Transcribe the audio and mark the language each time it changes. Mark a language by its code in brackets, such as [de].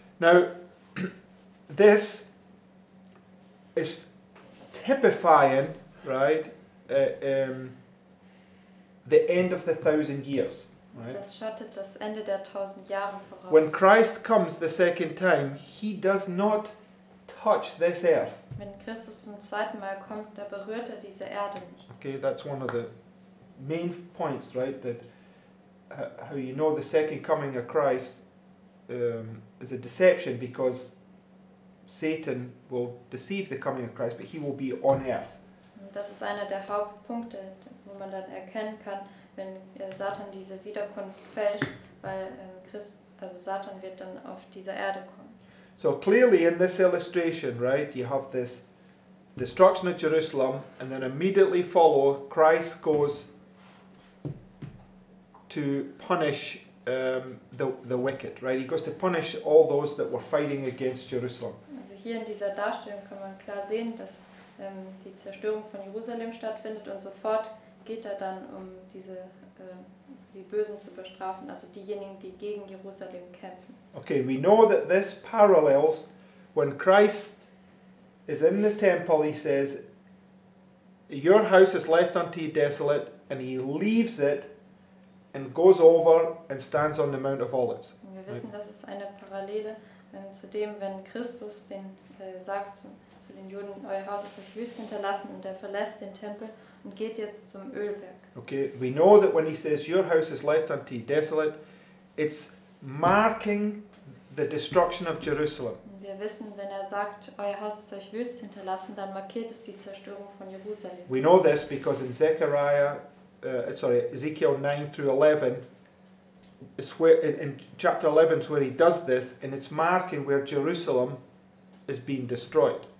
[en] Now, this is typifying, right, the end of the 1,000 years. Right? [de] Das schattet das Ende der 1,000 Jahre voraus. [en] When Christ comes the second time, he does not touch this earth. [de] Wenn Christus zum zweiten Mal kommt, da berührt diese Erde nicht. [en] Okay, that's one of the main points, right? That how you know the second coming of Christ is a deception, because Satan will deceive the coming of Christ, but he will be on earth. [de] Das ist einer der Hauptpunkte, wo man dann erkennen kann, wenn Satan diese Wiederkunft fälscht, weil Satan wird dann auf dieser Erde kommen. [en] So clearly in this illustration, right, you have this destruction of Jerusalem, and then immediately follow, Christ goes to punish the wicked, right? He goes to punish all those that were fighting against Jerusalem. [de] Also hier in dieser Darstellung kann man klar sehen, dass die Zerstörung von Jerusalem stattfindet, und sofort geht dann um diese die Bösen zu bestrafen, also diejenigen, die gegen Jerusalem kämpfen. [en] Okay, we know that this parallels when Christ is in the temple, he says, your house is left unto you desolate, and he leaves it and goes over and stands on the Mount of Olives. [de] Und wir wissen, [en] right? [de] Das ist eine Parallele zu dem, wenn Christus den sagt zu den Juden, euer Haus ist euch wüst hinterlassen, und er verlässt den Tempel und geht jetzt zum Ölberg. [en] Okay, we know that when he says your house is left unto you desolate, it's marking the destruction of Jerusalem. [de] Wir wissen, wenn er sagt, euer Haus ist euch wüst hinterlassen, dann markiert es die Zerstörung von Jerusalem. [en] We know this because in Ezekiel 9 through 11, it's where in chapter 11 is where he does this, and it's marking where Jerusalem is being destroyed.